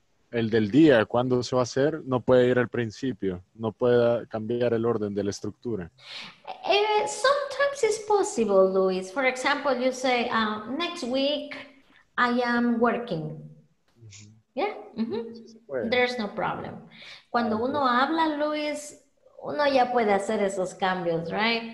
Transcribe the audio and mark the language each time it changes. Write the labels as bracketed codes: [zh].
[es] El del día, ¿cuándo se va a hacer? No puede ir al principio. No puede cambiar el orden de la estructura. [en] Sometimes it's possible, Luis. For example, you say, next week I am working. Mm-hmm. Yeah? Mm-hmm. Sí, there's no problem. [es] Cuando uno habla, Luis, uno ya puede hacer esos cambios, [en] right?